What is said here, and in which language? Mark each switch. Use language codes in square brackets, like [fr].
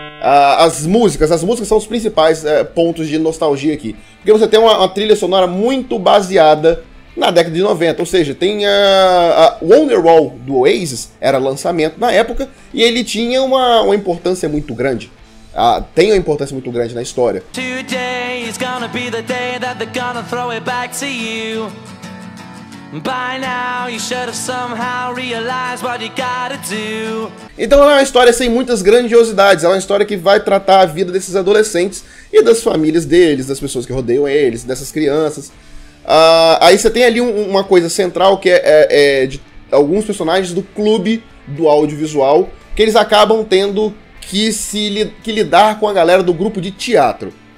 [pt] As músicas são os principais pontos de nostalgia aqui. Porque você tem uma trilha sonora muito baseada na década de 90. Ou seja, tem a Wonderwall do Oasis, era lançamento na época, e ele tinha uma importância muito grande. Tem uma importância muito grande na história. [en] Today is gonna be the day that they're gonna throw it back to you. By now, you should have somehow realized what you gotta do. [pt] Então ela é uma história sem muitas grandiosidades, ela é uma história que vai tratar a vida desses adolescentes e das famílias deles, das pessoas que rodeiam eles, dessas crianças. Aí você tem ali uma coisa central que é de alguns personagens do clube do audiovisual, que eles acabam tendo que lidar com a galera do grupo de teatro.